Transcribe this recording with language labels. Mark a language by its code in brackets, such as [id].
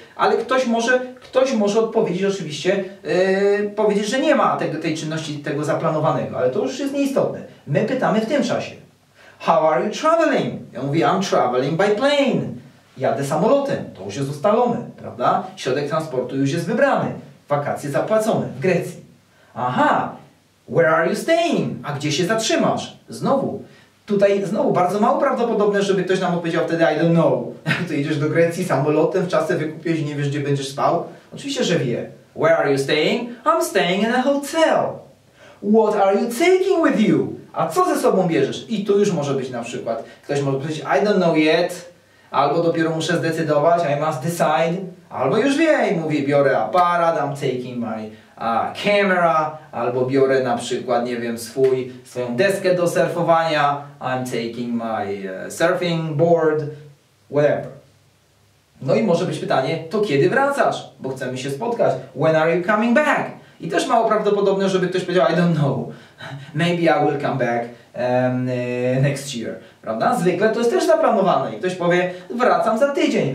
[pl] Ale ktoś może odpowiedzieć oczywiście, powiedzieć, że nie ma tej czynności, tego zaplanowanego. Ale to już jest nieistotne. My pytamy w tym czasie. [en] How are you traveling? [pl] Ja mówię, [en] I'm traveling by plane. [pl] Jadę samolotem, to już jest ustalone, prawda? Środek transportu już jest wybrany, wakacje zapłacone w Grecji. [en] Aha, where are you staying? [pl] A gdzie się zatrzymasz? Znowu, tutaj znowu bardzo mało prawdopodobne, żeby ktoś nam odpowiedział wtedy [en] I don't know. [pl] Ty jedziesz do Grecji samolotem, w czasie wykupiłeś i nie wiesz, gdzie będziesz spał? Oczywiście, że wie. [en] Where are you staying? I'm staying in a hotel. What are you taking with you? [pl] A co ze sobą bierzesz? I tu już może być na przykład. Ktoś może powiedzieć, [en] I don't know yet. [pl] Albo dopiero muszę zdecydować, [en] I must decide. [pl] Albo już wie i mówi, biorę aparat, [en] I'm taking my camera. [pl] Albo biorę na przykład, nie wiem, swoją deskę do surfowania. [en] I'm taking my surfing board. Whatever. [pl] No i może być pytanie, to kiedy wracasz? Bo chcemy się spotkać. [en] When are you coming back? [pl] I też mało prawdopodobne, żeby ktoś powiedział, [en] I don't know. Maybe I will come back next year. [pl] Prawda? Zwykle to jest też zaplanowane. I ktoś powie, wracam za tydzień.